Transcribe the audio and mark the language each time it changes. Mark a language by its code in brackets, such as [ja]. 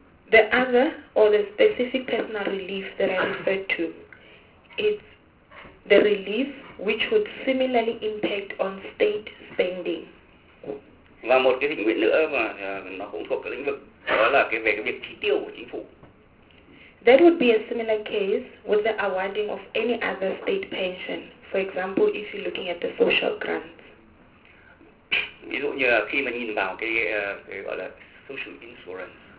[en] the other or the specific personal relief that I referred to, it's the relief which would similarly impact on state spending. [vi] Và một cái thỉnh nguyện nữa mà nó cũng thuộc cái lĩnh vực đó là cái về cái việc chi tiêu của chính phủ. [en] That would be a similar case with the awarding of any other state pension. For example, if you're looking at the social grants. [vi] Ví dụ như là khi mà nhìn vào cái gọi là social insurance.